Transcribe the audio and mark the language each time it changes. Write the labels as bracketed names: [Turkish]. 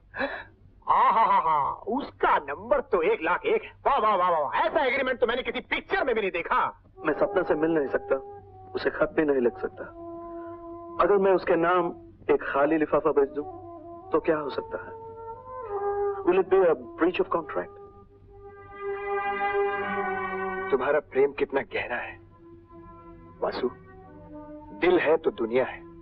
[Hindi] हाँ हाँ हाँ हाँ, उसका नंबर तो 1,01,000 है। वाह वाह वाह वाह, ऐसा एग्रीमेंट तो मैंने किसी पिक्चर में भी नहीं देखा। मैं सपना से मिल नहीं सकता, उसे खत भी नहीं लिख सकता। अगर मैं उसके नाम एक खाली लिफाफा भेज दूं, तो क्या हो सकता है? [English] Will it be a breach of contract? [Hindi] तुम्हारा प्रेम कितना गहरा है वासु, दिल है तो दुनिया है।